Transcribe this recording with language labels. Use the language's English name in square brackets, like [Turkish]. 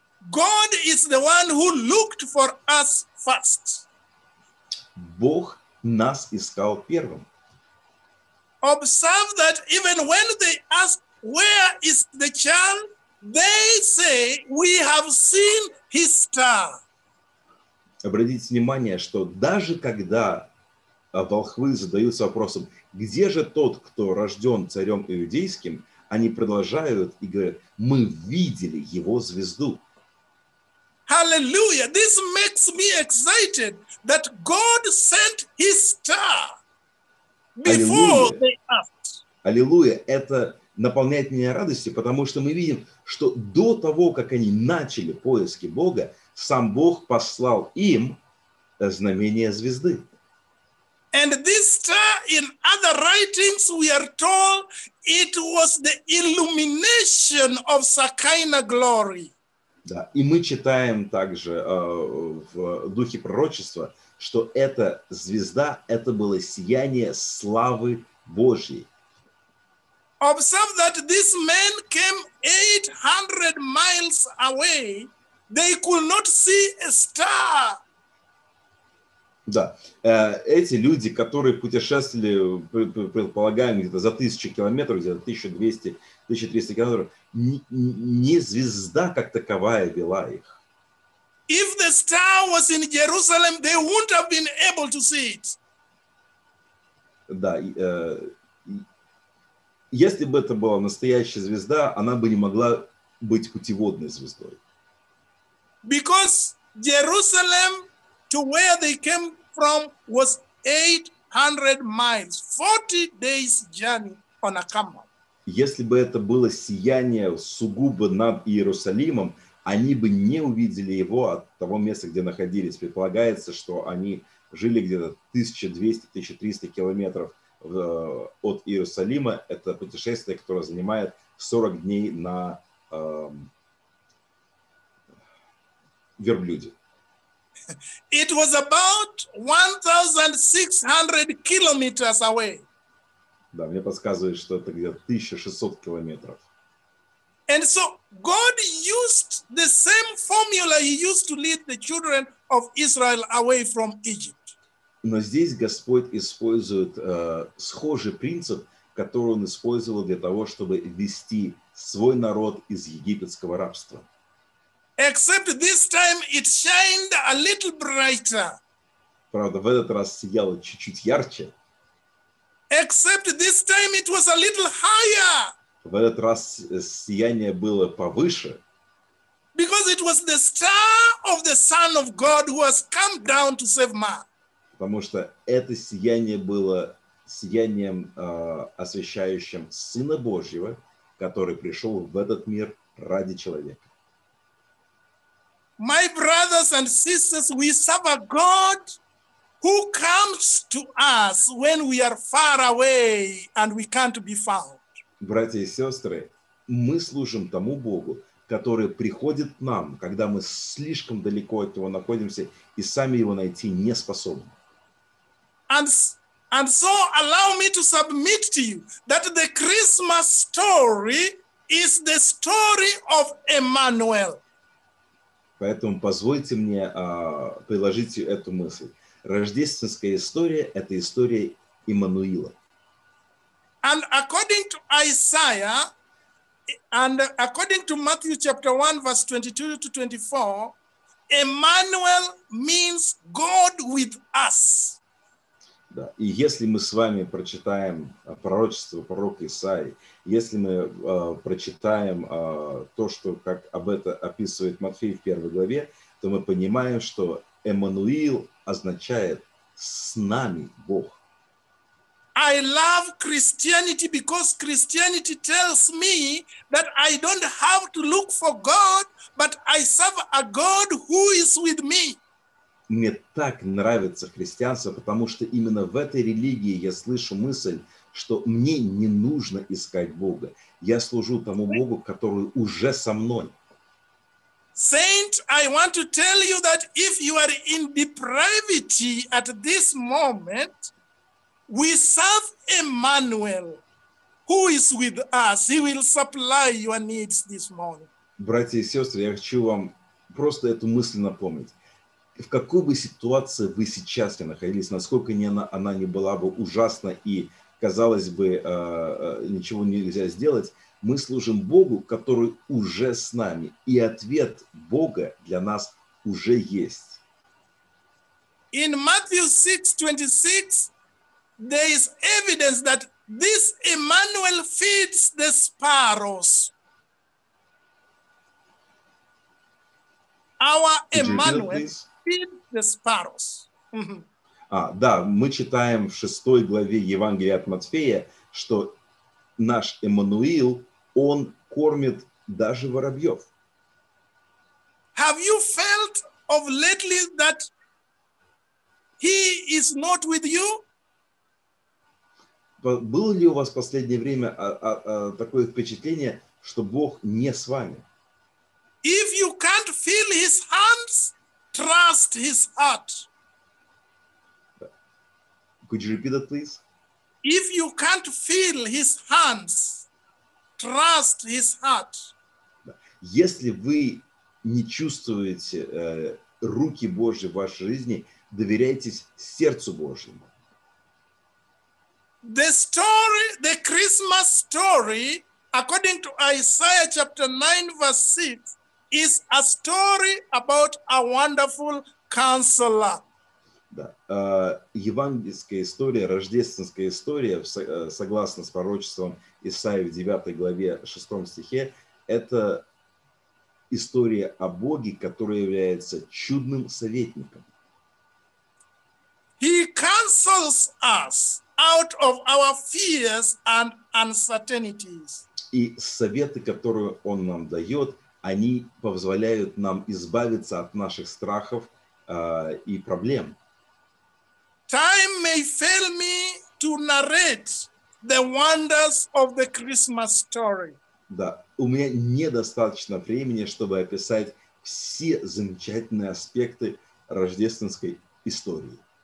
[English] God is the one who looked for us first. [Russian] Бог нас искал первым. [English] observe that even when they ask where is the child, they say we have seen his star. [Russian] Обратите внимание, что даже когда волхвы задаются вопросом, где же тот, кто рожден царем иудейским, они продолжают и говорят, мы видели его звезду. [English] Hallelujah! This makes me excited that God sent his star before they asked. [Russian] Аллилуйя! Это наполняет меня радостью, потому что мы видим, что до того, как они начали поиски Бога, сам Бог послал им знамение звезды. [English] And this star, in other writings, we are told it was the illumination of Shekinah glory. [Russian] Да, и мы читаем также в духе пророчества, что эта звезда, это было сияние славы Божьей. [English] Observe that this man came 800 miles away. They could not see a star. [Russian] Да, эти люди, которые путешествовали, предполагаем, где-то за 1000 километров, где-то 1200-1300 километров, не звезда как таковая вела их. [English] If the star was in Jerusalem, they wouldn't have been able to see it. [Russian] Да, если бы это была настоящая звезда, она бы не могла быть путеводной звездой. [English] Because Jerusalem, to where they came from, was 800 miles, 40 days journey on a camel. [Russian] Если бы это было сияние сугубо над Иерусалимом, они бы не увидели его от того места, где находились. Предполагается, что они жили где-то 1200-1300 километров от Иерусалима. Это путешествие, которое занимает 40 дней на верблюде. [English] It was about 1600 kilometers away. [Russian] Да, мне подсказывает, что это где-то 1600 километров. [English] And so God used the same formula he used to lead the children of Israel away from Egypt. [Russian] Но здесь Господь использует схожий принцип, который он использовал для того, чтобы вести свой народ из египетского рабства. [English] Except this time it shined a little brighter. [Russian] Правда, в этот раз сияло чуть-чуть ярче. [English] Except this time it was a little higher. [Russian] В этот раз сияние было повыше. [English] Because it was the star of the Son of God who has come down to save man. [Russian] Потому что это сияние было сиянием, освещающим Сына Божьего, который пришел в этот мир ради человека. [English] My brothers and sisters, we serve a God who comes to us when we are far away and we can't be found. [Russian] Братья и сестры, мы служим тому Богу, который приходит к нам, когда мы слишком далеко от Него находимся и сами Его найти не способны. [English] And so allow me to submit to you that the Christmas story is the story of Emmanuel. [Russian] Поэтому позвольте мне приложить эту мысль. Рождественская история – это история Иммануила. [English] And according to Isaiah, and according to Matthew chapter 1, verse 22-24, Emmanuel means God with us. [Russian] Да. И если мы с вами прочитаем пророчество пророка Исаии, если мы прочитаем то, что как об этом описывает Матфей в первой главе, то мы понимаем, что Эммануил означает «с нами Бог». [English] I love Christianity because Christianity tells me that I don't have to look for God, but I serve a God who is with me. [Russian] Мне так нравится христианство, потому что именно в этой религии я слышу мысль, что мне не нужно искать Бога. Я служу тому Богу, который уже со мной. [English] Saint, I want to tell you that if you are in depravity at this moment, we serve Emmanuel, who is with us. He will supply your needs this morning. [Russian] Братья и сестры, я хочу вам просто эту мысль напомнить. В какой бы ситуации вы сейчас ни находились, насколько она не была бы ужасна и казалось бы, ничего нельзя сделать. Мы служим Богу, который уже с нами. И ответ Бога для нас уже есть. [English] In Matthew 6:26 there is evidence that this Emmanuel feeds the sparrows. Our Emmanuel feeds the sparrows. [Russian] Да, мы читаем в 6 главе Евангелия от Матфея, что наш Эммануил, он кормит даже воробьев. [English] Have you felt of lately that he is not with you? [Russian] Было ли у вас в последнее время такое впечатление, что Бог не с вами? [English] If you can't feel his hands, trust his heart. Could you repeat that, please? If you can't feel his hands, trust his heart. [Russian] Если вы не чувствуете руки Божьи в вашей жизни, доверяйтесь сердцу Божьему. [English] The story, the Christmas story, according to Isaiah chapter 9, verse 6, is a story about a wonderful counselor. [Russian] Да. Евангельская история, рождественская история, согласно с пророчеством Исаии в 9 главе 6 стихе, это история о Боге, который является чудным советником. [English] He counsels us out of our fears and uncertainties. [Russian] И советы, которые он нам дает, они позволяют нам избавиться от наших страхов и проблем. [English] Time may fail me to narrate the wonders of the Christmas story. [Russian] Да, у меня недостаточно времени, чтобы описать все замечательные аспекты рождественской истории.